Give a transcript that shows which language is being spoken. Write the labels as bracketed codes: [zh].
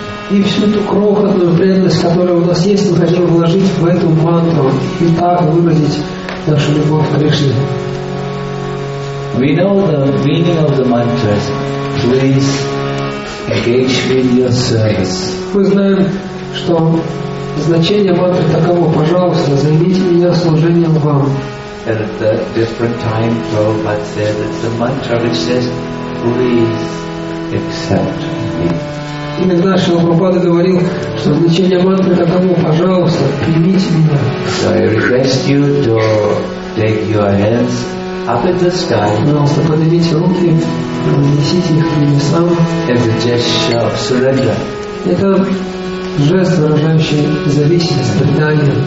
[ru] И всю ту крохотную преданность, которая у нас есть, мы хотим вложить в эту мантру и так выразить нашу любовь к Кришне. [en] We know the meaning of the mantra. Please engage in your service. [ru] Мы знаем, что значение мантры таково: пожалуйста, займите меня служением вам. [en] At the different time, Prabhupada said that the mantra which says, please accept me. [ru] Иногда Шрила Прабхупада говорил, что значение мантры таково: пожалуйста, примите меня. [en] So I request you to take your hands up in the sky. [ru] Пожалуйста, поднимите руки, принесите их к небесам. [en] As a gesture of surrender. [ru] Это жест, выражающий зависимость, предание.